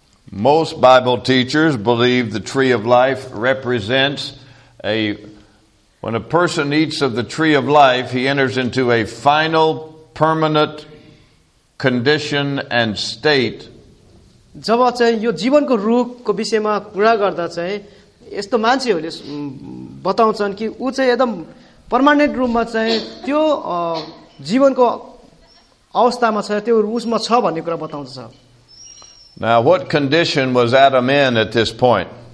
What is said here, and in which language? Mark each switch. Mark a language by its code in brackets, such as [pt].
[en] Most Bible teachers believe the tree of life represents when a person eats of the tree of life, he enters into a final, permanent condition and state. [ne] जब चाहिँ यो जीवनको रुखको विषयमा कुरा गर्दा चाहिँ यस्तो मान्छेहरूले बताउँछन् कि ऊ चाहिँ एकदम permanent रूपमा चाहिँ त्यो जीवनको अवस्थामा छ त्यो उसमा छ भन्ने कुरा बताउँछ [en] Now, what condition was Adam in at this point?